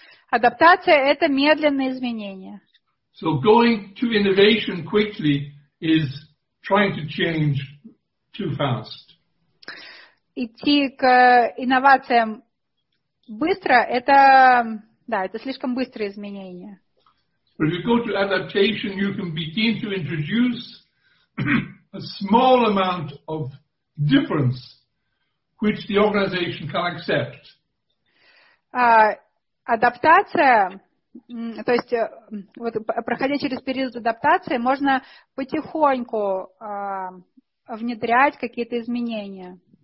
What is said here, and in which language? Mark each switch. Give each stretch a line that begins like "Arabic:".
Russian: Адаптация – это медленные изменения.
English: So going to innovation quickly is trying to change too fast.
Russian: Идти к инновациям быстро – это, да, это слишком быстрые изменения.
English: But if you go to adaptation, you can begin to introduce a small amount of difference, which the organization can accept.
Russian: Адаптация, то есть вот проходя через период адаптации, можно потихоньку внедрять какие-то изменения.